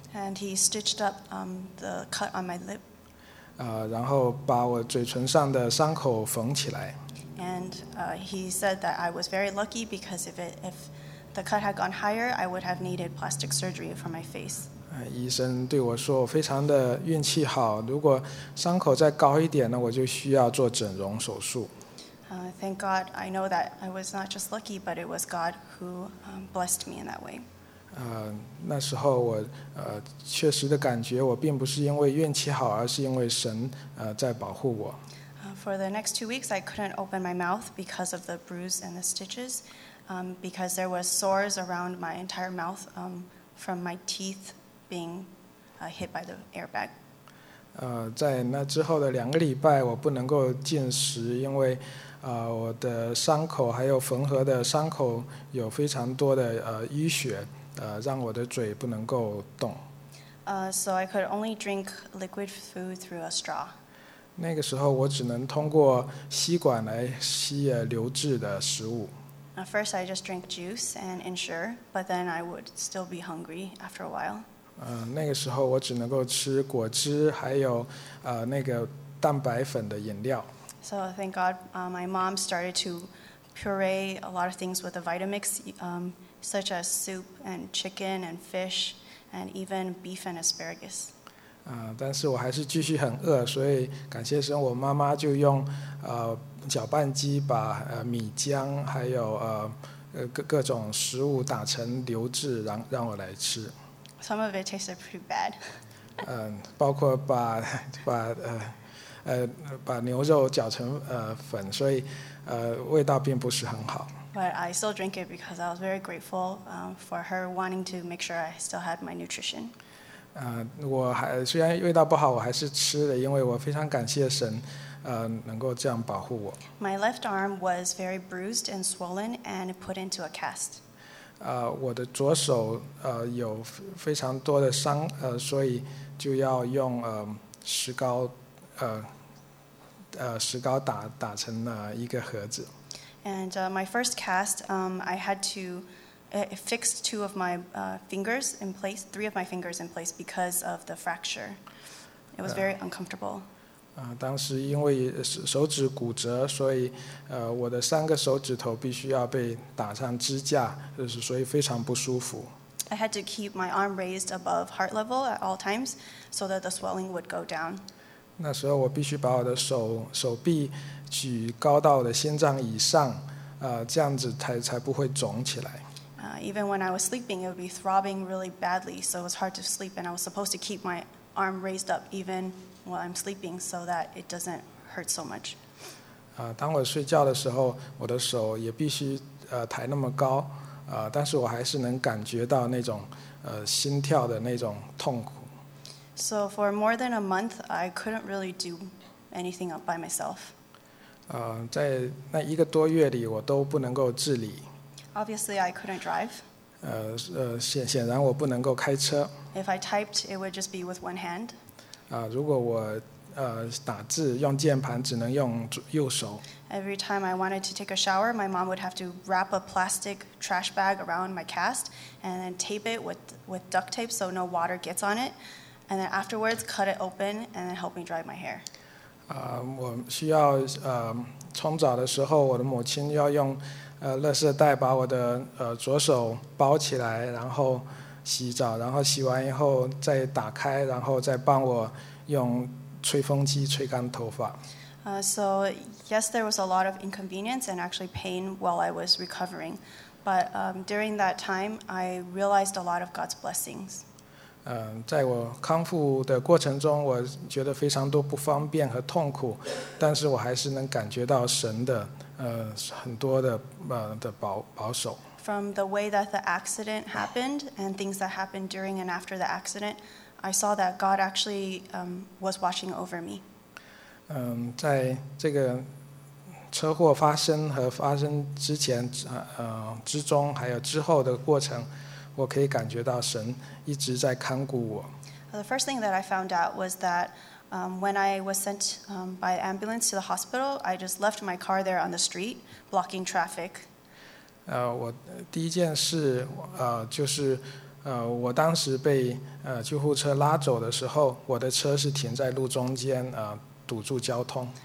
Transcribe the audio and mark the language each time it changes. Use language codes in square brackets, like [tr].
[en] And he stitched up the cut on my lip. [zh] 然后把我嘴唇上的伤口缝起来。 [en] And he said that I was very lucky because if the cut had gone higher, I would have needed plastic surgery for my face. [zh] 医生对我说，我非常的运气好，如果伤口再高一点呢，我就需要做整容手术。 [en] Thank God, I know that I was not just lucky, but it was God who blessed me in that way. [zh] 那时候我确实的感觉我并不是因为运气好而是因为神在保护我。 [en] For the next 2 weeks I couldn't open my mouth because of the bruise and the stitches because there were sores around my entire mouth from my teeth being hit by the airbag. [zh] 在那之后的两个礼拜我不能够进食，因为我的伤口还有缝合的伤口有非常多的淤血让我的嘴不能够动。 [en] So I could only drink liquid food through a straw. [zh] 那个时候我只能通过吸管来吸流质的食物。 [en] First I just drank juice and insure, but then I would still be hungry after a while. [zh] 那个时候我只能够吃果汁还有那个蛋白粉的饮料。 [en] So thank God, my mom started to puree a lot of things with a Vitamix. Such as soup and chicken and fish and even beef and asparagus. [zh] 但是我还是继续很饿，所以感谢神，我妈妈就用搅拌机把米浆还有各种食物打成流质，让我来吃。 [en] Some of it tasted pretty bad. [zh] 包括把牛肉搅成粉，所以味道并不是很好。 [en] But I still drink it because I was very grateful for her wanting to make sure I still had my nutrition. [zh] 我还虽然味道不好，我还是吃了，因为我非常感谢神，能够这样保护我。 [en] My left arm was very bruised and swollen and put into a cast. [zh] 我的左手有非常多的伤，所以就要用石膏，石膏打成了一个盒子。 [en] And my first cast, I had to fix two of my fingers in place, three of my fingers in place because of the fracture. It was very uncomfortable. [zh] 当时因为手指骨折，所以我的三个手指头必须要被打上支架，就是所以非常不舒服。 [en] I had to keep my arm raised above heart level at all times so that the swelling would go down. [zh] 那时候我必须把我的手臂举高到了心脏以上，这样子才不会肿起来。 [en] Even when I was sleeping, it would be throbbing really badly, so it was hard to sleep, and I was supposed to keep my arm raised up even while I'm sleeping so that it doesn't hurt so much. [zh] 当我睡觉的时候，我的手也必须抬那么高，但是我还是能感觉到那种心跳的那种痛苦。 [en] So for more than a month, I couldn't really do anything by myself. [zh] 在那一个多月里，我都不能够自理。 [en] Obviously, I couldn't drive. [zh] 显然我不能够开车。 [en] If I typed, it would just be with one hand. [zh] 如果我打字用键盘，只能用右手。 [en] Every time I wanted to take a shower, my mom would have to wrap a plastic trash bag around my cast and then tape it with duct tape so no water gets on it, and then afterwards cut it open and then help me dry my hair. [zh] 我需要冲澡的时候，我的母亲要用垃圾袋把我的左手包起来，然后洗澡，然后洗完以后再打开，然后再帮我用吹风机吹干头发。 [en] So yes, there was a lot of inconvenience and actually pain while I was recovering, but during that time, I realized a lot of God's blessings. [zh] 在我康复的过程中，我觉得非常多不方便和痛苦，但是我还是能感觉到神的很多的保守。 [en] From the way that the accident happened and things that happened during and after the accident, I saw that God actually was watching over me. [zh] 在这个车祸发生和发生之前、之中还有之后的过程，我可以感觉到神一直在看顾我。 [en] The first thing that I found out was that when I was sent by ambulance to the hospital, I just left my car there on the street, blocking traffic. [zh] 我第一件事就是我当时被救护车拉走的时候，我的车是停在路中间堵住交通。